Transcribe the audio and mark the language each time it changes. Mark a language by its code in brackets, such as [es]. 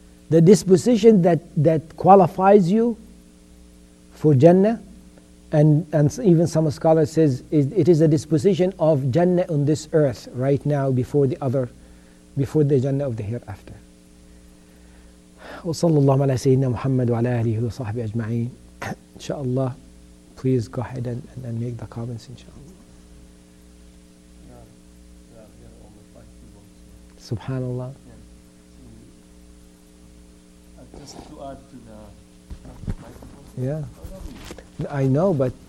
[en] The disposition that qualifies you for Jannah, and even some scholars says it is a disposition of Jannah on this earth right now before the Jannah of the hereafter. [ar] وصلى الله على سيدنا محمد وعلى آله وصحبه أجمعين. إن شاء الله, [en] please go ahead and make the comments, إن شاء الله. Subhanallah. Yeah. Just to add to the microphone. Yeah. I know, but